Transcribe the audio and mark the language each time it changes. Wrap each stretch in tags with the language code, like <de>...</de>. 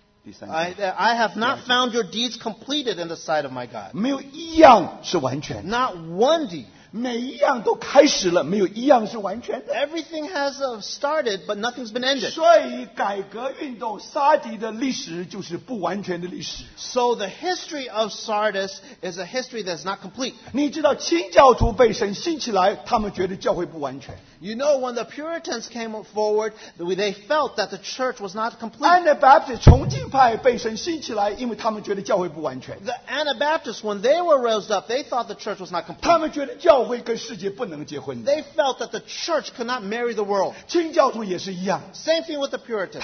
<en>I have not found your deeds completed in the sight of my God.</en> <zh>没有一样是完全的。</zh> <en>Not one deed.</en> <zh>每一样都开始了, 没有一样是完全的。</zh> <en>Everything has started, but nothing's been ended.</en> <zh>所以改革运动, 沙迪的历史就是不完全的历史。</zh> <en>So the history of Sardis is a history that's not complete.</en> <zh>你知道清教徒被神兴起来, 他们觉得教会不完全。</zh> <en>You know, when the Puritans came forward, they felt that the church was not complete. The Anabaptists, when they were raised up, they thought the church was not complete. They felt that the church could not marry the world. Same thing with the Puritans.</en>